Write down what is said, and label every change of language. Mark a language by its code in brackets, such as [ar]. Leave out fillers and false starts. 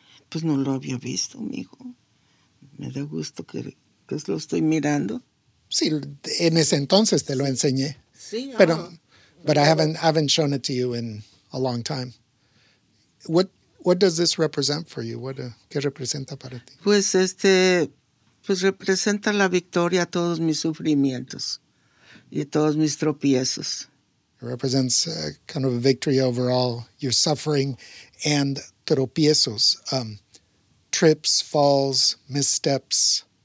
[es] Pues no lo había visto, mijo. Me da gusto que lo estoy mirando. Sí, en ese entonces te lo enseñé. Sí. [en] But I haven't shown it to you in a long time. What does this represent for you? [es] ¿Qué representa para ti? Pues pues representa la victoria a todos mis sufrimientos y todos mis tropiezos. [en] It represents kind of a victory over all your suffering and tropiezos, trips, falls, missteps.